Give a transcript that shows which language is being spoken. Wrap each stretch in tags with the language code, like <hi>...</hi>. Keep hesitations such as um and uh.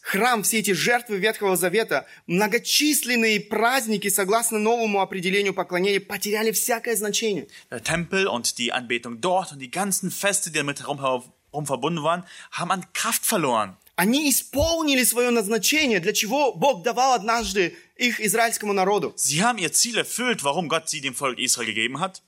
<ru>Храм, все эти жертвы Ветхого Завета, многочисленные праздники, согласно новому определению поклонения, потеряли всякое значение.</ru> <de>Der Tempel und die Anbetung dort und die ganzen Feste, die damit herum verbunden waren, haben an Kraft verloren.</de> <ru>Они исполнили свое назначение, для чего Бог давал однажды Sie</ru> <de>haben ihr Ziel erfüllt, warum Gott sie dem Volk Israel gegeben hat.</de>